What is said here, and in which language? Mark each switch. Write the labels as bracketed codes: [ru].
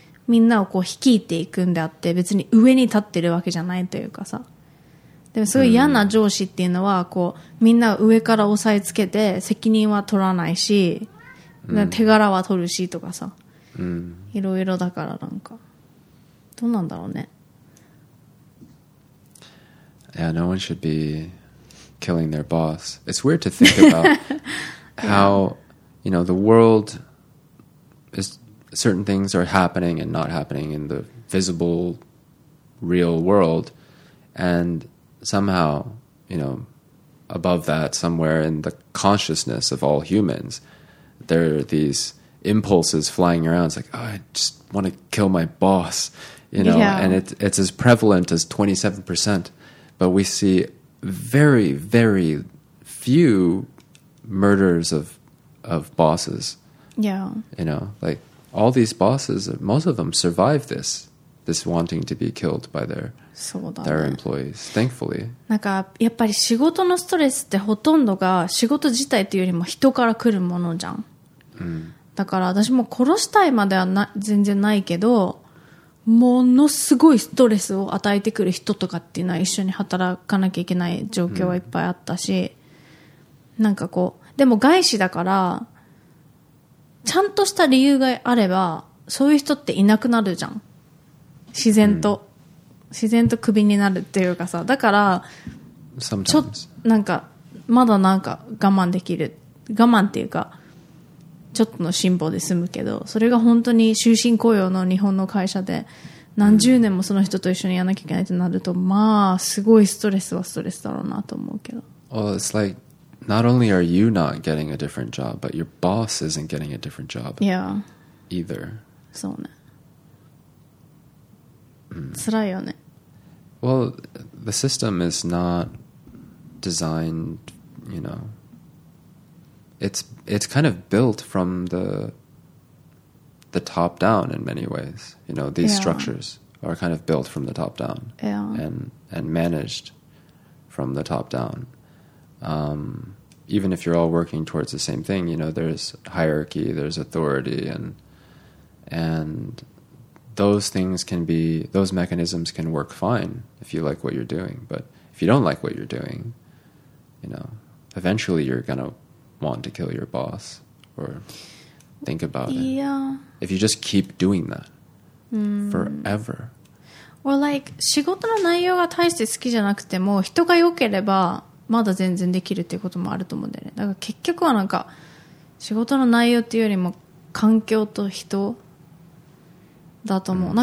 [ja] みんなをこう率いていくんであって、別に上に立ってるわけじゃないというかさ。でもすごい嫌な上司っていうのはこうみんな上から押さえつけて責任は取らないし、手柄は取るしとかさ、いろいろだから、なんかどうなんだろうね。 [en] Yeah, no one should be killing their boss. It's weird to think about how, you know, the world is, certain things are happening and not happening in the visible real world, and somehow, you know, above that, somewhere in the consciousness of all humans, there are these impulses flying around. It's like, oh, I just want to kill my boss, you know. Yeah. And it's as prevalent as 27%, but we see very, very few murders of bosses. Yeah. You know, like all these bosses, most of them survive this wanting to be killed by their, [ja] そうだね、 [en] their employees, thankfully. [ja] なんかやっぱり仕事のストレスってほとんどが仕事自体というよりも人から来るものじゃん。だから私も殺したいまではな全然ないけど、ものすごいストレスを与えてくる人とかっていうのは一緒に働かなきゃいけない状況はいっぱいあったし、なんかこう、でも外資だからちゃんとした理由があればそういう人っていなくなるじゃん、自然と、自然とクビになるっていうかさ。だからちょっとなんかまだなんか我慢できる、我慢っていうかちょっとの辛抱で済むけど、それが本当に終身雇用の日本の会社で何十年もその人と一緒にやらなきゃいけないとなると、まあすごいストレスはストレスだろうなと思うけど。 [en] Well, it's like not only are you not getting a different job, but your boss isn't getting a different job either. [ja] そうね、辛いよね。 [en] Well, the system is not designed, you know, it's kind of built from the top down in many ways. You know, these structures are kind of built from the top down and managed from the top down. Even if you're all working towards the same thing, you know, there's hierarchy, there's authority, and those things can be, those mechanisms can work fine if you like what you're doing. But if you don't like what you're doing, you know, eventually you're going to want to kill your boss or think about it. Yeah. If you just keep doing that forever. Or like, [ja] 仕事の内容が大して好きじゃなくても、人が良ければまだ全然できるっていうこともあると思うんだよね。だから結局はなんか、仕事の内容っていうよりも環境と人だと思う。